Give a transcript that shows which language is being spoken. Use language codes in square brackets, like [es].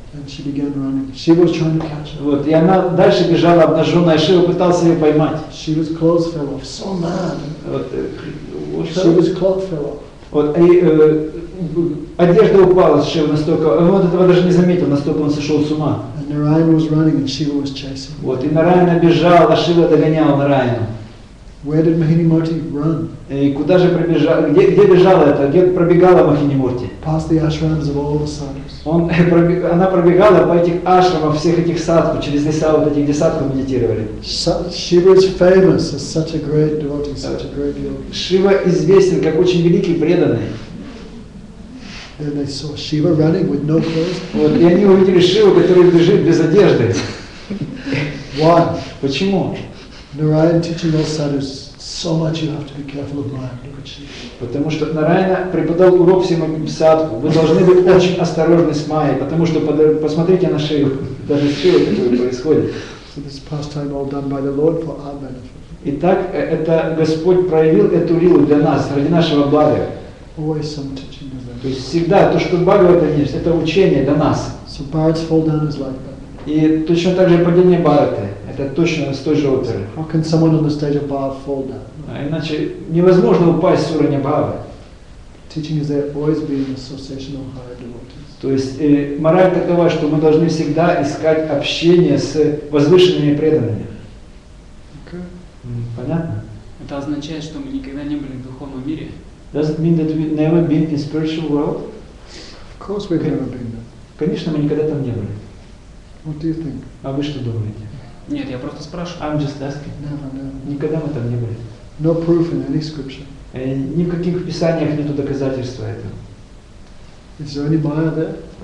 [en] And she began running. She was trying to catch her. [ru] Вот, и она дальше бежала, обнаженная. Шива пытался ее поймать. [en] She was clothes fell off. So mad. [ru] Вот, [en] she was clothes fell off. [ru] Вот, и одежда упала с Шивы настолько. Он этого даже не заметил, настолько он сошел с ума. [en] And Narayana was running, and Shiva was chasing. [ru] Вот, и Нараяна бежала, а Шива догонял Нараяну. [en] Where did Mahinimurti run? [ru] И куда же пробежал? Где бежала это? Где пробегала Махинимурти? [en] Past the ashrams of all the sadhus. [ru] Она пробегала по этих ашрамам всех этих садху, через леса вот этих, где садху медитировали. [en] Shiva is famous as such a great devotee, such a great yogi. [ru] Шива известен как очень великий преданный. [en] And they saw Shiva running with no clothes. [ru] Вот, и они увидели Шиву, который бежит без одежды. [en] Why? [ru] Почему? [en] Narayana teaching all sadhus so much you have to be careful of mind. Look at Shiva. [ru] Потому что Нараяна преподал урок всем садху. Вы должны быть очень осторожны с майей, потому что посмотрите на Шиву, даже Шива, которая происходит. [en] So this pastime all done by the Lord for our benefit. [ru] Итак, это Господь проявил эту лилу для нас, ради нашего блага. [en] Always some teaching of that. [ru] То есть всегда то, что Бхагавата есть, это учение для нас. So Bharat's fall down is like that. И точно так же падение Бхараты. Это точно с той же оперы. [en] How can someone on the stage of Bhava fall down? [ru] А иначе невозможно упасть с уровня Бхавы. [en] Teaching is there always be an association of higher devotees. [ru] То есть мораль такова, что мы должны всегда искать общение с возвышенными преданными. [en] Okay. [ru] Понятно? Это означает, что мы никогда не были в духовном мире? [en] Does it mean that we've never been in spiritual world? Of course we've never been there. [ru] Конечно, мы никогда там не были. [en] What do you think? [ru] А вы что думаете? Нет, я просто спрашиваю. [en] I'm just asking. No. [ru] Никогда мы там не были. [en] No proof in any scripture. [ru] Ни в каких писаниях нету доказательства этого. [en] Is there any Maya there?